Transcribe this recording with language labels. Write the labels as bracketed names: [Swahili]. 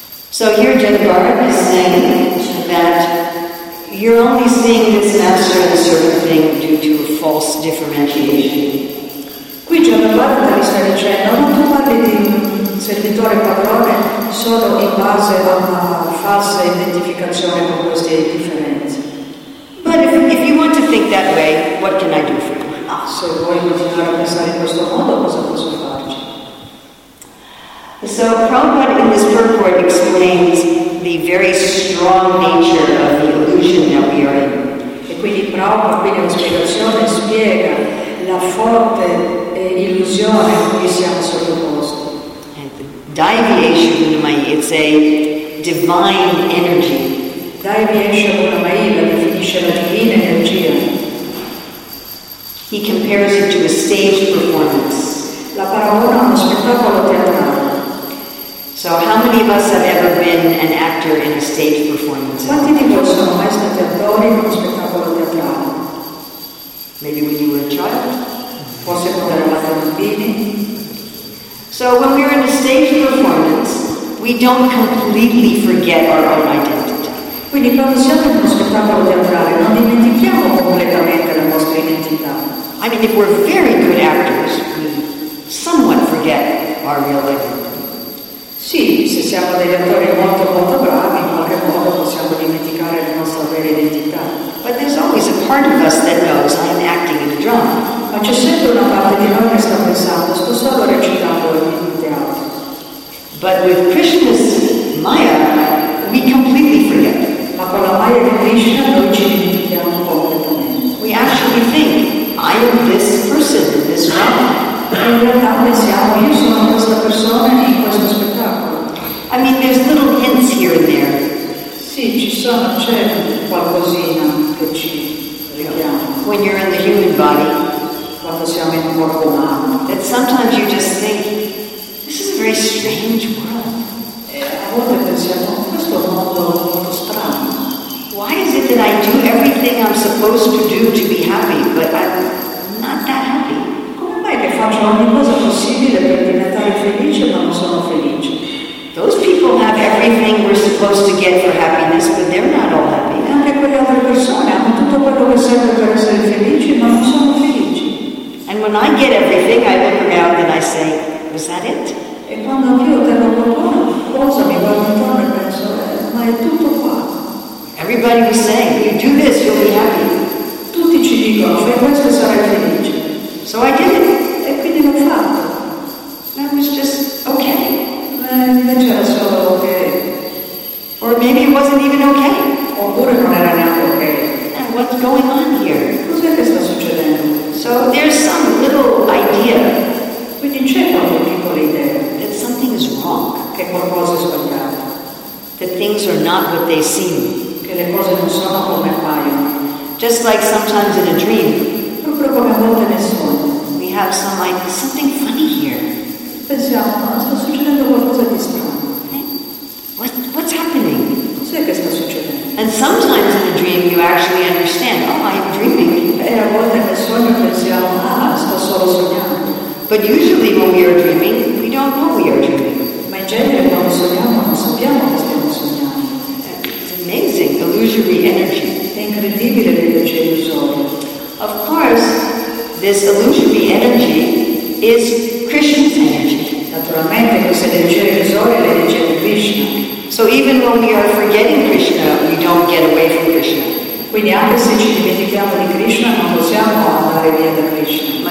[English] So here Jagadbharata is saying that you're only seeing this master in a certain thing due to a false differentiation. [Italian] Qui Jagadbharata mi sta dicendo non tu parli di servitore padrone solo in base a una falsa identificazione con queste differenze. [English] But if you want to think that way, what can I do for you? [Italian] Se vuoi continuare a pensare in questo modo, cosa posso fare? [English] So Prabhupada in this purport explains the very strong nature of the illusion that we are in. [Italian] E quindi Prabhupada qui nella spiegazione spiega la forte illusione a cui siamo sottoposti. [English] Deviation Unamayi, it's a divine energy. [Italian] Deviation Unamayi la definisce la divina energia. [English] He compares it to a stage performance. [Italian] La paragona uno spettacolo teatrale. [English] So how many of us have ever been an actor in a stage performance? [Italian] Quanti di voi sono mai stati attori in uno spettacolo teatrale? [English] Maybe when you were a child? [Italian] Forse quando eravate bambini? [English] So when we're in a stage performance, we don't completely forget our own identity. [Italian] Quindi quando siamo in uno spettacolo teatrale, non dimentichiamo completamente la nostra identità. [English] I mean, if we're very good actors, we somewhat forget our real identity. [Italian] Sì, se siamo degli attori molto molto bravi, in qualche modo possiamo dimenticare la nostra vera identità. [English] But there's always a part of us that knows I'm acting in a drama. [Italian] Ma c'è sempre una parte di noi che sta pensando, sto solo recitando in un teatro. [English] But with Krishna's Maya, we completely forget. [Italian] Ma con la Maya di Krishna non ci dimentichiamo completamente. [English] We actually think, I am this person in this drama. [Italian] In realtà pensiamo, io sono questa persona in questo spettacolo. [English] I mean, there's little hints here and there. [Italian] Sì, ci sono, c'è qualcosina che ci richiama. [English] When you're in the human body, [Italian] quando siamo in un corpo umano, [English] that sometimes you just think, this is a very strange world. [Italian] A volte pensiamo, questo è un mondo molto strano. [English] Why is it that I do everything I'm supposed to do to be happy, but I'm not that happy? [Italian] Come mai che faccio ogni cosa possibile per diventare felice, ma non sono felice? [English] Those people have everything we're supposed to get for happiness, but they're not all happy. [Italian] Anche quelle altre persone hanno tutto quello che serve per essere felici, ma non sono felici. [English] And when I get everything, I look around and I say, was that it? [Italian] E quando io ottengo qualcuno, cosa mi guardo intorno e penso, ma è tutto qua. [English] Everybody was saying, you do this, you'll be happy. [Italian] Tutti ci dicono, fai questo e sarai felice. [English] So I did it. [Italian] E quindi l'ho fatto. [English] And I was just okay. [Italian] Invece era solo ok. [English] Or maybe it wasn't even okay. [Italian] Oppure non era neanche ok. [English] And what's going on here? [Italian] Cos'è che sta succedendo? [English] So there's some little idea. [Italian] Quindi c'è qualche piccola idea. [English] That something is wrong. [Italian] Che qualcosa è sbagliato. [English] That things are not what they seem. [Italian] Che le cose non sono come appaiono. [English] Just like sometimes in a dream. [Italian] Proprio come a volte nel sogno. [English] We have some like something funny here. [Italian] Pensiamo, ma sta succedendo qualcosa di strano. [English] What's happening? [Italian] Cos'è che sta succedendo? [English] And sometimes in a dream you actually understand, oh, I'm dreaming. [Italian] E a volte nel sogno pensiamo, ah, sto solo sognando. [English] But usually when we are dreaming, we don't know we are dreaming. [Italian] Ma in genere quando sogniamo, non sappiamo che stiamo sognando. [English] It's amazing, illusory energy. [Italian] È incredibile l'energia illusoria. [English] Of course, this illusory energy is Krishna's energy. [Italian] Naturalmente questa energia illusoria è l'energia di Krishna. [English] So even when we are forgetting Krishna, we don't get away from Krishna. [Italian] Quindi anche se ci dimentichiamo di Krishna, non possiamo andare via da Krishna.